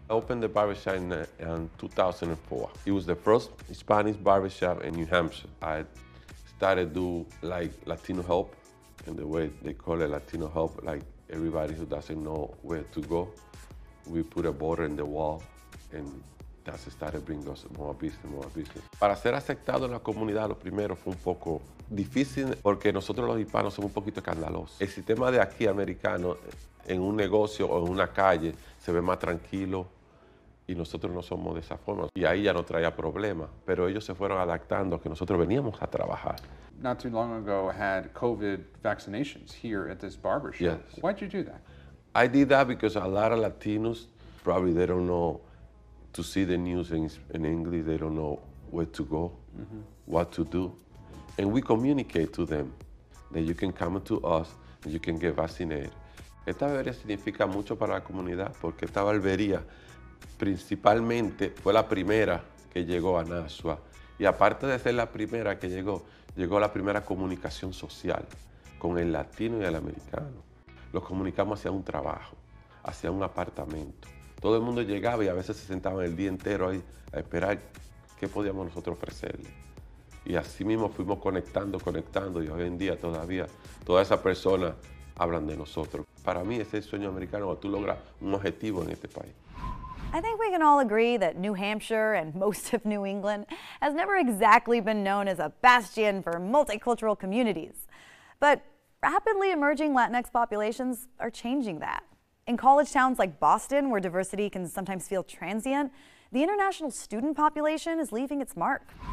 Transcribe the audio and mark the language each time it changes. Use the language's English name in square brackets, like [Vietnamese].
[English] I opened the barbershop in 2004. It was the first Spanish barbershop in New Hampshire. I started do like Latino help, and the way they call it Latino help, like everybody who doesn't know where to go, we put a border in the wall, and that started bringing us more business. [Spanish] Para ser aceptado en la comunidad, lo primero fue un poco difícil porque nosotros los hispanos somos un poquito escandalosos. El sistema de aquí americano, en un negocio o en una calle, se ve más tranquilo y nosotros no somos de esa forma. Y ahí ya no traía problemas, pero ellos se fueron adaptando a que nosotros veníamos a trabajar. [English] Not too long ago, I had COVID vaccinations here at this barbershop. Yes. Why'd you do that? I did that because a lot of Latinos, probably they don't know to see the news in English, they don't know where to go, what to do. And we communicate to them that you can come to us, and you can get vaccinated. [Spanish] Esta barbería significa mucho para la comunidad porque esta barbería principalmente fue la primera que llegó a Nashua. Y aparte de ser la primera que llegó, llegó la primera comunicación social con el latino y el americano. Los comunicamos hacia un trabajo, hacia un apartamento. Todo el mundo llegaba y a veces se sentaban el día entero ahí a esperar qué podíamos nosotros ofrecerle. Y así mismo fuimos conectando, y hoy en día todavía todas esas personas hablan de nosotros. Para mí, ese es el sueño americano, cuando tú logras un objetivo en este país. [English] I think we can all agree that New Hampshire and most of New England has never exactly been known as a bastion for multicultural communities. But rapidly emerging Latinx populations are changing that. In college towns like Boston, where diversity can sometimes feel transient, the international student population is leaving its mark.